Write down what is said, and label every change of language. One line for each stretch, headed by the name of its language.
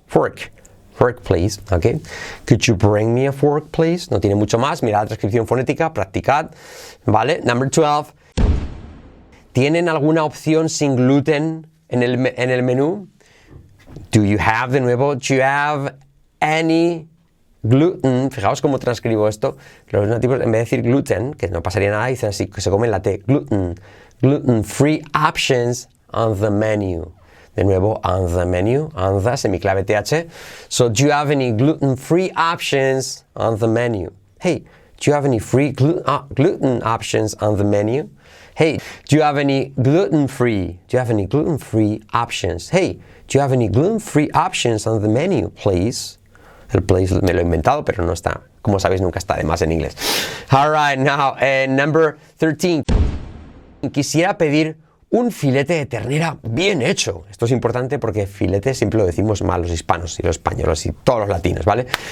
English: Fork, please, okay. Could you bring me a fork, please?
Spanish: No tiene mucho más. Mirad la transcripción fonética, practicad. Vale,
English: number 12.
Spanish: ¿Tienen alguna opción sin gluten en el menú?
English: Do you have,
Spanish: de nuevo,
English: do you have any gluten?
Spanish: Fijaos cómo transcribo esto. Los nativos, en vez de decir gluten, que no pasaría nada, dicen así, que se comen la T.
English: Gluten. Gluten-free options on the menu.
Spanish: De nuevo,
English: on the menu, on the, semiclave TH. So, do you have any gluten-free options on the menu? Hey, do you have any free gluten options on the menu? Hey, do you have any gluten-free? Do you have any gluten-free options? Hey, do you have any gluten-free options on the menu, please?
Spanish: El please me lo he inventado, pero no está. Como sabéis, nunca está de más en inglés.
English: All right, now, number 13.
Spanish: Quisiera pedir un filete de ternera bien hecho. Esto es importante porque filete siempre lo decimos mal los hispanos y los españoles y todos los latinos, ¿vale?